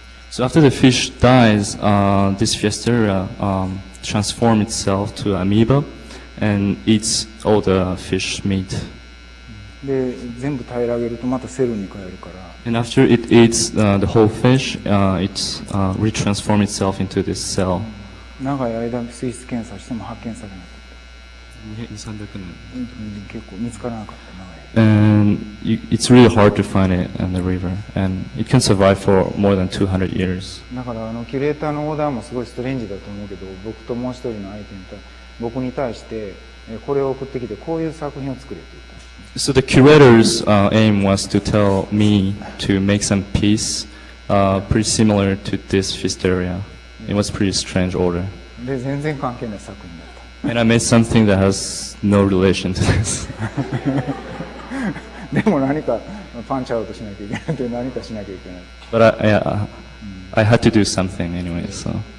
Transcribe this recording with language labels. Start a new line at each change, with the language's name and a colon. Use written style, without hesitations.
English: So after the fish dies, this Fiesteria transforms itself to amoeba and eats all the fish meat.
Japanese: で、全部平らげるとまたセルに変えるから。
English: And after it eats the whole fish, it retransforms itself into this cell.
Japanese: 長い間水質検査しても発見されなかった。 200-300年。結構見つからなかったな。
English: And it's really hard to find it in the river, and it can survive for more than 200 years.
Japanese: だからキュレーターのオーダーもすごいストレンジだと思うけど、僕ともう一人の相手に僕に対してこれを送ってきてこういう作品を作れと言った。
English: So the curator's aim was to tell me to make some piece pretty similar to this Fiesteria. It was pretty strange order.
Japanese: で全然関係ない作品だった。
English: And I made something that has no relation to this.
Japanese: でも何かパンチアウトしなきゃいけないって何かしなきゃいけない。
English: But I had to do something anyway, so.